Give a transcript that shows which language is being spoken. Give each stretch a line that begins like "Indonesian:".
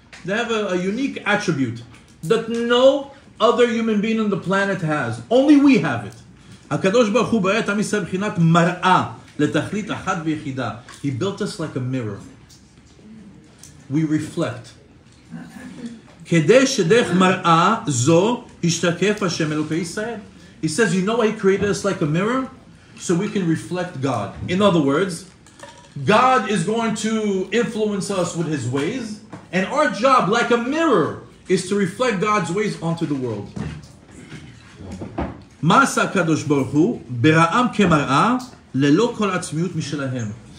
English: They have a unique attribute that no other human being on the planet has. Only we have it.
Hebrew: הקדוש ברוך הוא ברא את עם ישראל בבחינת מראה לתכלית אחת ויחידה.
English: He built us like a mirror. We reflect.
Hebrew: כדי שדרך מראה זו השתקף השם אלוקי ישראל.
English: He says, you know why he created us like a mirror? So we can reflect God. In other words, God is going to influence us with his ways, and our job, like a mirror, is to reflect God's ways onto the world.
Hebrew: מה עשה הקדוש ברוך הוא? בראם כמראה ללא כל עצמיות משלהם.